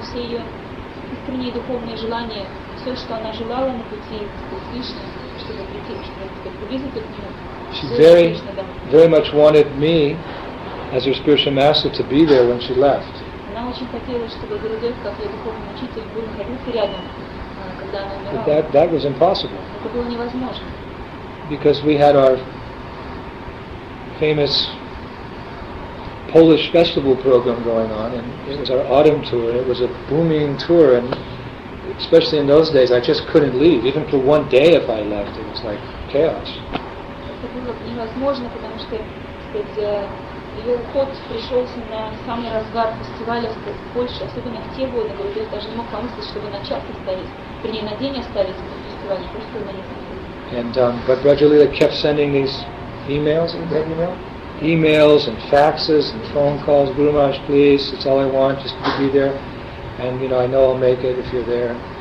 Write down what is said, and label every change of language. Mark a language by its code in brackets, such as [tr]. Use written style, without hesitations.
[ru] Искренние духовные желания, все, что она желала на пути к Кришне, чтобы прийти, чтобы приблизиться к Нему. [en] She very, very much wanted me, as her spiritual master, to be there when she left. [ru] Она очень хотела, чтобы Гурудев, как ее духовный учитель, был находился рядом, когда она умирала. [en] But that was impossible. [ru] Это было невозможно. [en] Because we had our famous Polish festival program going on, and it was our autumn tour. It was a booming tour, and especially in those days, I just couldn't leave. Even for one day, if I left, it was like chaos. [ru] Это было невозможно, потому что, ее уход пришелся на самый разгар фестиваля в Польше, особенно в те годы, когда я даже не мог помыслить, чтобы на час оставить, вернее, на день оставить на фестивале, просто на несколько. [en] And but Rajalila kept sending these emails. Emails and faxes and phone calls, Guru Maharaj, please, it's all I want, just to be there. And you know, I know I'll make it if you're there.